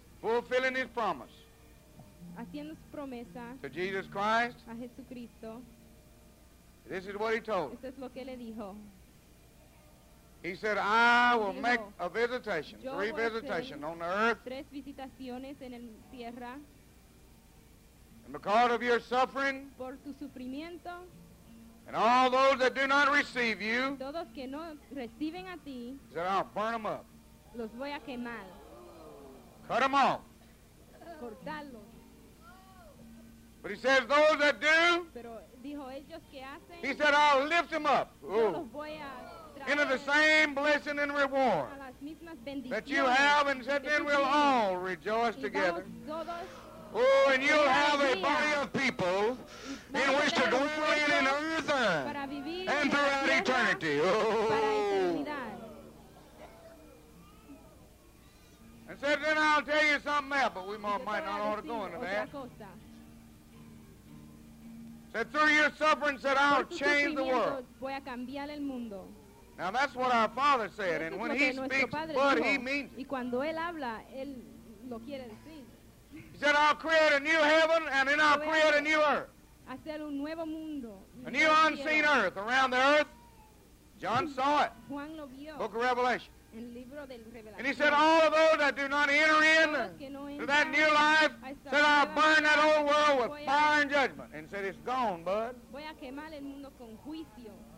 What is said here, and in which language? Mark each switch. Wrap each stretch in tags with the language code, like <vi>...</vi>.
<en>fulfilling his promise,</en> <es>haciendo su promesa,</es> <en>to Jesus Christ,</en> <es>a Jesucristo,</es> <en>this is what he told.</en> <es>Esto es lo que le dijo.</es> <en>He said, I will make a visitation, three visitations on the earth,</en> <es>tres visitaciones en el tierra,</es> <en>and because of your suffering,</en> <es>por tu sufrimiento,</es> <en>and all those that do not receive you,</en> <es>todos que no reciben a ti,</es> <en>he said, I'll burn them up.</en> <es>Los voy a quemar.</es> <en>Cut them off.</en> <es>Cortarlos.</es> <en>But he says, those that do,</en> <es>pero dijo, ellos que hacen,</es> <en>he said, I'll lift them up.</en> <es>Yo los voy a traer</es> <en>into the same blessing and reward</en> <es>a las mismas bendiciones</es> <en>that you have, and said, then we'll all rejoice together.</en> <es>Todos,</es> <en>oh, and you'll have a body of people in which to dwell in earth and throughout eternity. Oh. And said, then I'll tell you something else, but we might not ought to go into that. Said, through your suffering, said, I'll change the world.</en> <es>Voy a cambiar el mundo.</es> <en>Now, that's what our Father said, and when he speaks, what he means.</en> <es>Y cuando él habla, él lo quiere decir.</es> <en>said, I'll create a new heaven and then I'll create a new earth.</en> <es>Hacer un nuevo mundo.</es> <en>A new unseen earth around the earth. John saw it.</en> <es>Juan lo vio.</es> <en>Book of Revelation.</en> <es>El libro del Revelación.</es> <en>And he said, all of those that do not enter in to that new life, said, I'll burn that old world with fire and judgment. And he said, it's gone, bud.</en> <es>Voy a quemar el mundo con juicio.</es>